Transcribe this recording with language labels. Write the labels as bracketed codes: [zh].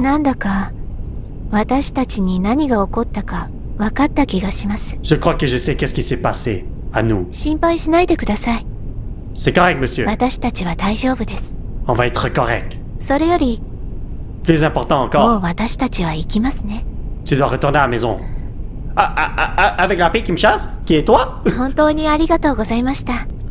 [ja] なんだか、私たちに何が起こったか分かった気がします。 [fr] Je crois que je sais qu'est-ce qui s'est passé à nous. [ja] 心配しないでください。 [fr] C'est correct, monsieur. [ja] 私たちは大丈夫です。 [fr] On va être correct. [ja] それより、 [fr] Plus important encore. [ja] もう私たちは行きますね。 [fr] Tu dois retourner à la maison. Avec la fille qui me chasse, qui est toi? [ja] 本当にありがとうございました。